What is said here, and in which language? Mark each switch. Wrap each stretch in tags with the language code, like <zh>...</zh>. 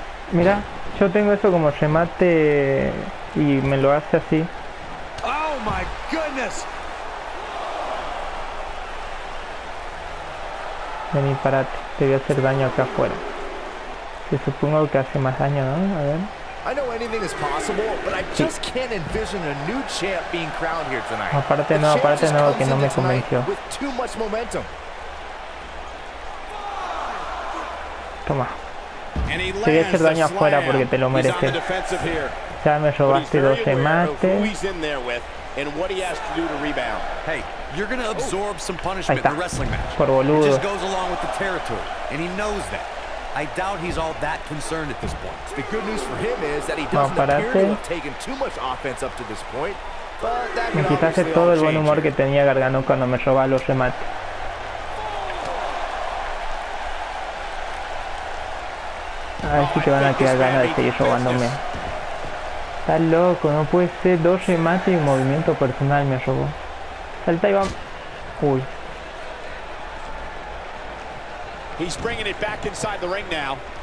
<es>Mira, yo tengo eso como remate y me lo hace así.</es> <en>Oh my goodness.</en> <es>Vení, parate, te voy a hacer daño acá afuera. Que supongo que hace más daño, ¿no? A ver.</es> <en>I know anything is possible, but I just can't envision a new champ being crowned here tonight.</en> <es>Aparte no, que no me convenció. Toma. Te voy a hacer daño afuera porque te lo mereces. Ya me robaste 12 mates.</es> <en>And what he has to do to rebound. Hey, you're gonna absorb some punishment in the wrestling match.</en> <es>Por boludo.</es> <en>It just goes along with the territory, and he knows that. I doubt he's all that concerned at this point. The good news for him is that he doesn't appear to have taken too much offense up to this point. But that</en> <es>me quitaste todo el buen humor que tenía Gargano cuando me robaba los remates. Ay, sí que van a quedar ganas de seguir robándome. Está loco, no puede ser. Dos remates y un movimiento personal me robó. Salta y vamos. Uy.</es> <en>He's bringing it back inside the ring now.</en>